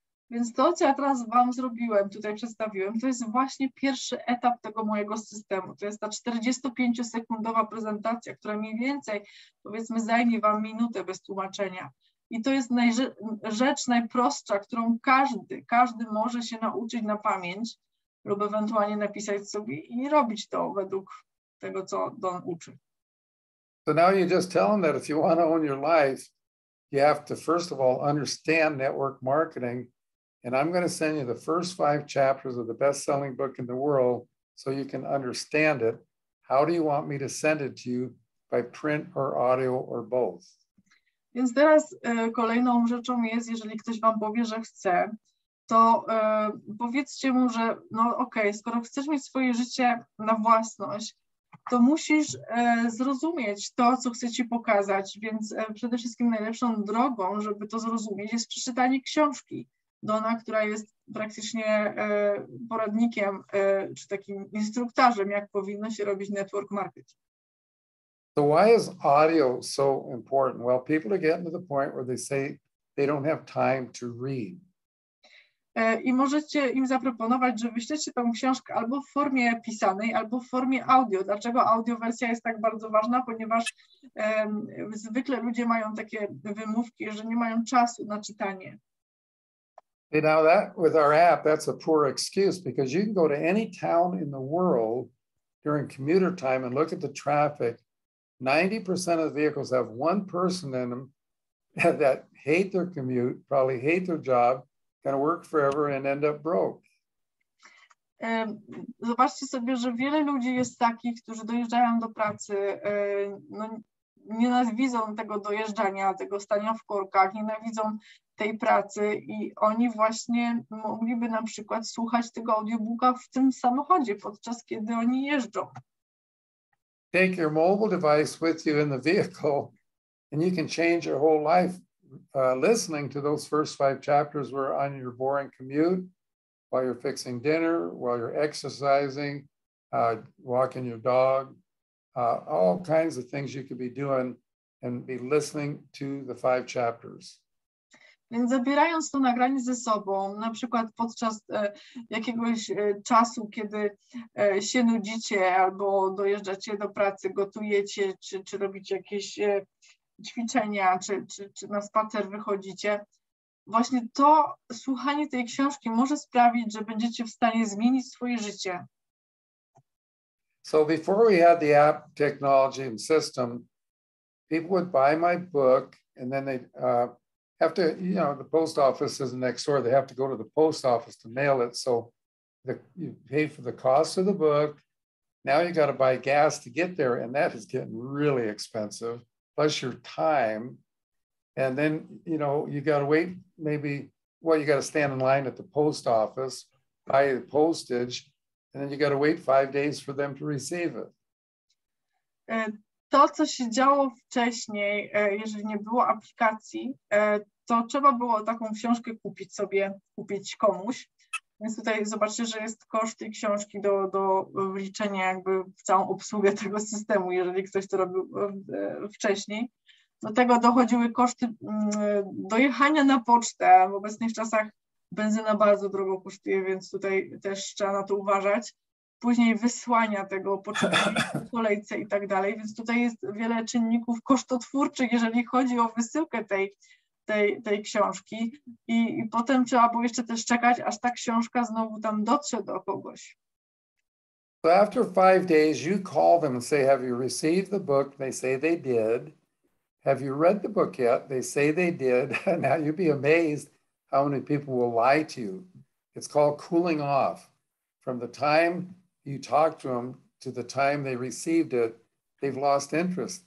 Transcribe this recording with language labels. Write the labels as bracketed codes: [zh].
[pl] Więc to, co ja teraz wam zrobiłem, tutaj przedstawiłem, to jest właśnie pierwszy etap tego mojego systemu. To jest ta 45-sekundowa prezentacja, która mniej więcej, powiedzmy, zajmie wam minutę bez tłumaczenia. I to jest rzecz najprostsza, którą każdy może się nauczyć na pamięć lub ewentualnie napisać sobie i robić to według tego, co Don uczy. [en] So now you just tell them that if you want to own your life, you have to first of all understand network marketing. And I'm going to send you the first 5 chapters of the best-selling book in the world so you can understand it. How do you want me to send it to you, by print or audio or both? [pl] Więc teraz kolejną rzeczą jest, jeżeli ktoś wam powie, że chce, to powiedzcie mu, że no okej, skoro chcesz mieć swoje życie na własność, to musisz zrozumieć to, co chcę ci pokazać, więc przede wszystkim najlepszą drogą, żeby to zrozumieć, jest przeczytanie książki Dona, która jest praktycznie poradnikiem czy takim instruktorem, jak powinno się robić network marketing. [en] So why is audio so important? Well, people are getting to the point where they say they don't have time to read. [pl] I możecie im zaproponować, że wyślecie tą książkę albo w formie pisanej, albo w formie audio. Dlaczego audio wersja jest tak bardzo ważna? Ponieważ zwykle ludzie mają takie wymówki, że nie mają czasu na czytanie. [en] You know that with our app, that's a poor excuse because you can go to any town in the world during commuter time and look at the traffic. 90% of the vehicles have one person in them that hate their commute, probably hate their job, gonna work forever and end up broke. [pl] Zobaczcie sobie, że wiele ludzi jest takich, którzy dojeżdżają do pracy, no, nienawidzą tego dojeżdżania, tego stania w korkach, nienawidzą tej pracy i oni właśnie mogliby na przykład słuchać tego audiobooka w tym samochodzie, podczas kiedy oni jeżdżą. [en] Take your mobile device with you in the vehicle and you can change your whole life listening to those first five chapters where on your boring commute, while you're fixing dinner, while you're exercising, walking your dog, all kinds of things you could be doing and be listening to the five chapters. [pl] Więc zabierając to nagranie ze sobą, na przykład podczas jakiegoś czasu, kiedy się nudzicie albo dojeżdżacie do pracy, gotujecie czy robicie jakieś ćwiczenia czy na spacer wychodzicie, właśnie to słuchanie tej książki może sprawić, że będziecie w stanie zmienić swoje życie. [en] So before we had the app technology and system, people would buy my book and then they have to, you know, the post office isn't next door. They have to go to the post office to mail it. So you pay for the cost of the book. Now you got to buy gas to get there. And that is getting really expensive, plus your time. And then, you know, you got to wait maybe, well, you got to stand in line at the post office, buy the postage, and then you got to wait 5 days for them to receive it. [pl] To, co się działo wcześniej, jeżeli nie było aplikacji, to trzeba było taką książkę kupić sobie, kupić komuś. Więc tutaj zobaczcie, że jest koszt tej książki do wliczenia jakby w całą obsługę tego systemu, jeżeli ktoś to robił wcześniej. Do tego dochodziły koszty dojechania na pocztę. W obecnych czasach benzyna bardzo drogo kosztuje, więc tutaj też trzeba na to uważać. Później wysłania tego pocztowego w kolejce i tak dalej, więc tutaj jest wiele czynników kosztotwórczych, jeżeli chodzi o wysyłkę tej książki i potem trzeba było jeszcze też czekać, aż ta książka znowu tam dotrze do kogoś. [en] So after 5 days you call them and say, have you received the book? They say they did. Have you read the book yet? They say they did. Now you'd be amazed how many people will lie to you. It's called cooling off. From the time you talked to them to the time they received it, they've lost interest.